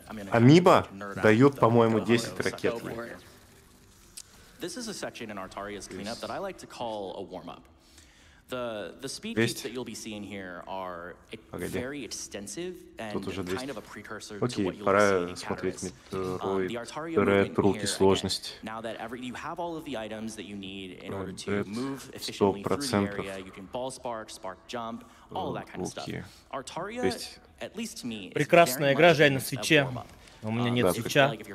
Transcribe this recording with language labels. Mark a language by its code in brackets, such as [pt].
[ru] Амиба дают, по-моему, 10 ракет. [en] This is a section in Artaria's cleanup that I like to call a warm-up. The speed cubes that you'll be seeing here are very extensive and kind of a precursor to what you'll see in Cataris. The Artaria movement here, again, now that you have all of the items that you need in order to move efficiently through the area, you can ball spark, spark jump, all that kind of stuff. Artaria, at least to me, is [ru] прекрасная игра, жаль на свече. У меня нет свеча.